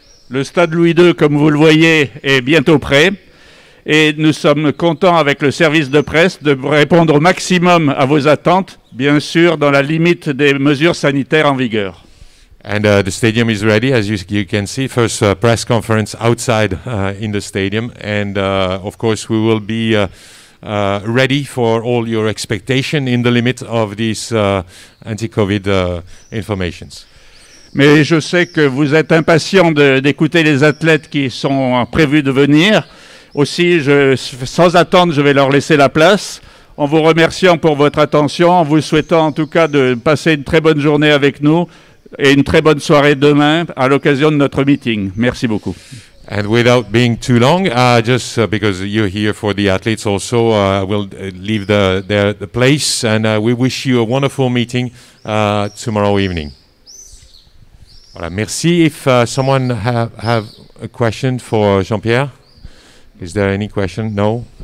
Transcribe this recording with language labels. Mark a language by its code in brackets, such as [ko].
[fr] Le stade Louis II, comme vous le voyez, est bientôt prêt. Et nous sommes contents avec le service de presse de répondre au maximum à vos attentes, bien sûr, dans la limite des mesures sanitaires en vigueur. [en] And the stadium is ready, as you can see. First press conference outside in the stadium. And of course, we will be ready for all your expectations in the limit of these anti-COVID informations. [fr] Mais je sais que vous êtes impatients d'écouter les athlètes qui sont prévus de venir. Aussi, sans attendre, je vais leur laisser la place. En vous remerciant pour votre attention, en vous souhaitant en tout cas de passer une très bonne journée avec nous. Et une très bonne soirée demain à l'occasion de notre meeting. Merci beaucoup. [en] And without being too long, just because you're here for the athletes also, we'll leave the place and we wish you a wonderful meeting tomorrow evening. [fr] Voilà, merci. [en] If someone have a question for Jean-Pierre, is there any question? No.